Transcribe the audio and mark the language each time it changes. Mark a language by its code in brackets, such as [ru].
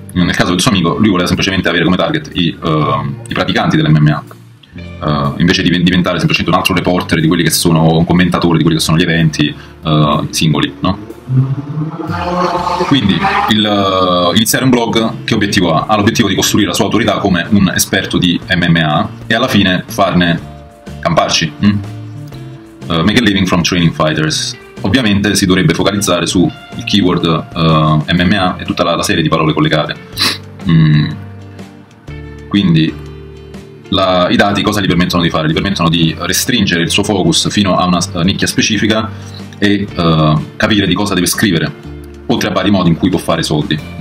[it] Nel caso del suo amico, lui voleva semplicemente avere come target i praticanti dell'MMA, invece di diventare semplicemente un altro reporter di quelli che sono, un commentatore di quelli che sono gli eventi singoli, no? Quindi iniziare un blog, che obiettivo ha? Ha l'obiettivo di costruire la sua autorità come un esperto di MMA e alla fine farne camparci. [en] Make a living from training fighters. [it] Ovviamente si dovrebbe focalizzare su il keyword MMA e tutta la serie di parole collegate. Quindi i dati cosa gli permettono di fare? Gli permettono di restringere il suo focus fino a una nicchia specifica e capire di cosa deve scrivere, oltre a vari modi in cui può fare soldi.